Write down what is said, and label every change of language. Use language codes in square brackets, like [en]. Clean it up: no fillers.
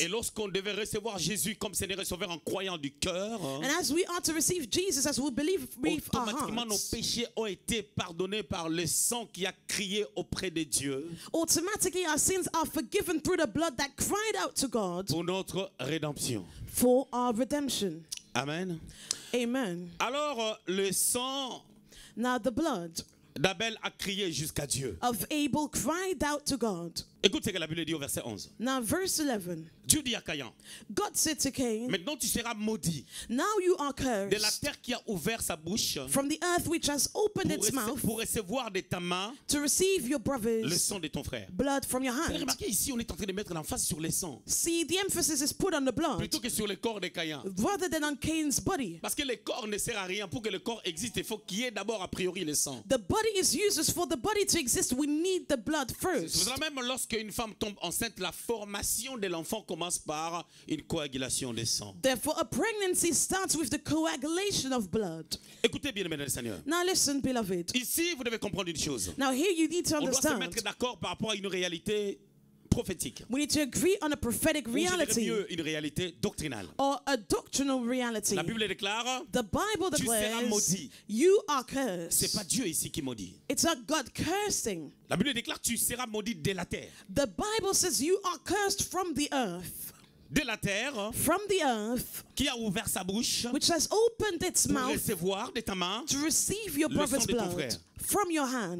[fr] Et lorsqu'on devait recevoir Jésus comme Seigneur et Sauveur en croyant du cœur. [en] And as we are to receive Jesus as we believe with our hearts. [fr] Automatiquement nos péchés ont été pardonnés par le sang qui a crié auprès de Dieu. [en] Automatically our sins are forgiven through the blood that cried out to God. [fr] Pour notre rédemption. [en] For our redemption. [fr] Amen. [en] Amen. [fr] Alors le sang. [en] Now the blood. [fr] D'Abel a crié jusqu'à Dieu. [en] Of Abel cried out to God. [fr] Écoute ce que la Bible dit au verset 11. [en] Now verse 11. [fr] Dieu dit à Caïn. [en] God said to Cain. [fr] Maintenant tu seras maudit. [en] Now you are cursed. [fr] De la terre qui a ouvert sa bouche. [en] From the earth which has opened its mouth. [fr] Pour recevoir de ta main. [en] To receive your brother's. [fr] Le sang de ton frère. [en] Blood from your hand. [fr] Remarquez ici on est en train de mettre l'emphase sur le sang. [en] See the emphasis is put on the blood. [fr] Plutôt que sur le corps de Caïn. [en] Rather than on Cain's body. [fr] Parce que le corps ne sert à rien. Pour que le corps existe, il faut qu'il y ait d'abord a priori le sang. [en] The body is useless for the body to exist. We need the blood first. [fr] C'est même lorsqu'une femme tombe enceinte, la formation de l'enfant commence par une coagulation de sang. [en] Therefore, a pregnancy starts with the coagulation of blood. [fr] Écoutez bien, mesdames et messieurs. [en] Now listen, beloved. [fr] Ici, vous devez comprendre une chose. [en] Now here, you need to understand. [fr] On doit se mettre d'accord par rapport à une réalité. prophétique. [en] We need to agree on a prophetic reality. [fr] Ou je dirais mieux, une réalité doctrinale. [en] Or a doctrinal reality. [fr] La Bible déclare. [en] The Bible declares. [fr] Tu seras maudit. [en] You are cursed. [fr] C'est pas Dieu ici qui maudit. [en] It's not God cursing. [fr] La Bible déclare tu seras maudit dès la terre. [en] The Bible says you are cursed from the earth. [fr] De la terre, [en] from the earth, [fr] qui a ouvert sa bouche, [en] which has opened its mouth, [fr] pour recevoir de ta main, [en] to receive your brother's blood, from your hand.